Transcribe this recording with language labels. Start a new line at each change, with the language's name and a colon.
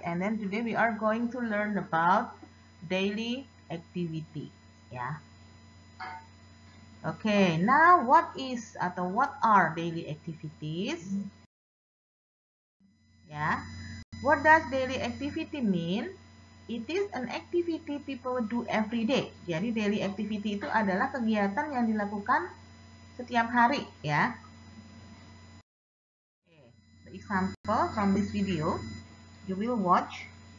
English: And then today we are going to learn about daily activity, yeah. Okay, now what is atau what are daily activities? Yeah. What does daily activity mean? It is an activity people do every day.
Indonesian: Jadi daily activity itu adalah kegiatan yang dilakukan setiap hari, ya.
English: Okay. The example from this video, you will watch.